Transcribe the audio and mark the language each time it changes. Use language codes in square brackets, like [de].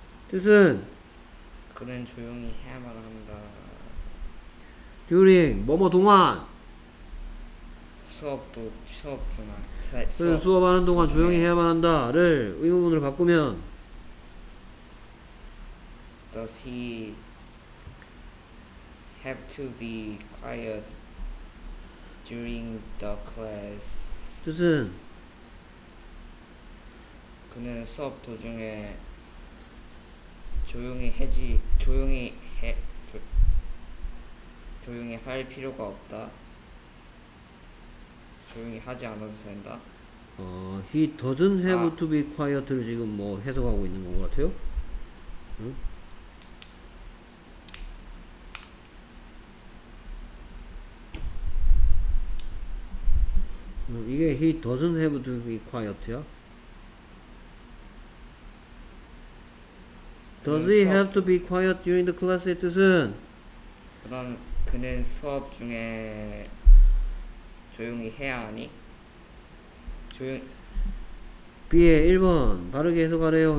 [ko] 뜻은 그는 조용히 해야만 합니다. During 뭐뭐 동안 수업도 수업 중에 그는 수업하는 동안 동안에. 조용히 해야만 한다를 의문문으로 바꾸면 [en] Does he have to be quiet during the class. [ko] 뜻은 그는 수업 도중에 조용히 할 필요가 없다. 조용히 하지 않아도 된다. [en] He doesn't have [ko] 아. [en] to be quiet [ko] 를 지금 뭐 해석하고 있는 것 같아요. 응? 이게 [en] he doesn't have to be quiet [ko] 야? [en] Does he have to be quiet during the class의 [ko] 뜻은? 그는 수업 중에 조용히 해야 하니? 비에 1번 바르게 해석하래요.